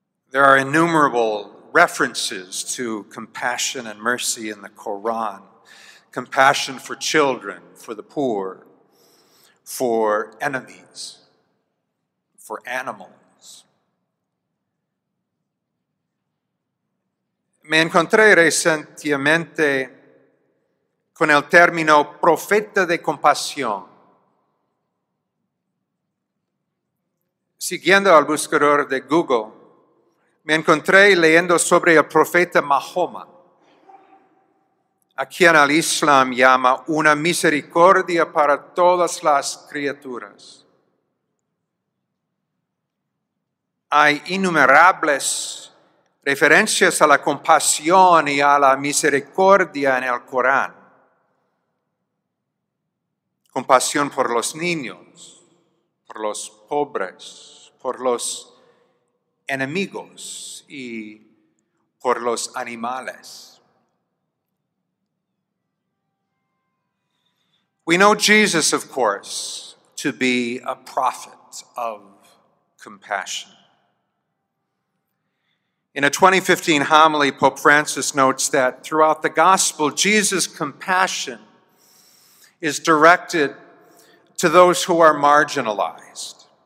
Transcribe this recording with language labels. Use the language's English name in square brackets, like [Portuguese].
[English] There are innumerable references to compassion and mercy in the Quran. Compassion for children, for the poor, for enemies, for animals. [Spanish] Me encontré recientemente con el término profeta de compasión. Siguiendo al buscador de Google, me encontré leyendo sobre el profeta Mahoma, a quien el Islam llama una misericordia para todas las criaturas. Hay innumerables referencias a la compasión y a la misericordia en el Corán. Compasión por los niños, por los pobres, por los enemigos y por los animales. [English] We know Jesus, of course, to be a prophet of compassion. In a 2015 homily, Pope Francis notes that throughout the gospel, Jesus' compassion is directed to those who are marginalized.